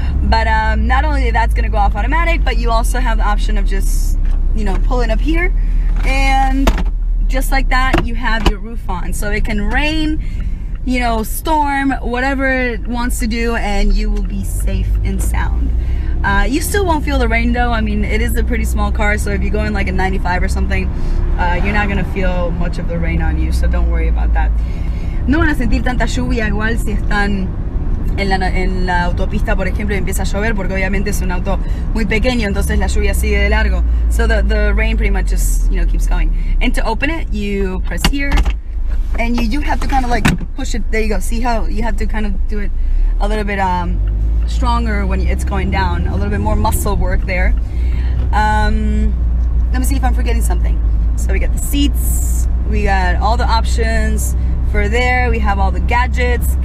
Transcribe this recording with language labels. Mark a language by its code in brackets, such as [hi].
[en] But not only that's gonna go off automatic, but you also have the option of just, you know, pulling up here, and just like that, you have your roof on, so it can rain, you know, storm, whatever it wants to do, and you will be safe and sound. You still won't feel the rain though. I mean, it is a pretty small car, so if you go in like a 95 or something, you're not gonna feel much of the rain on you, so don't worry about that. [es] No van a sentir tanta lluvia igual si están en la autopista, por ejemplo, y empieza a llover, porque obviamente es un auto muy pequeño, entonces la lluvia sigue de largo. [en] So the rain pretty much just, you know, keeps going. And to open it, you press here, and you do have to kind of like push it. There you go. See how you have to kind of do it a little bit stronger when it's going down, a little bit more muscle work there. Let me see if I'm forgetting something. So we got the seats, we got all the options for there, we have all the gadgets.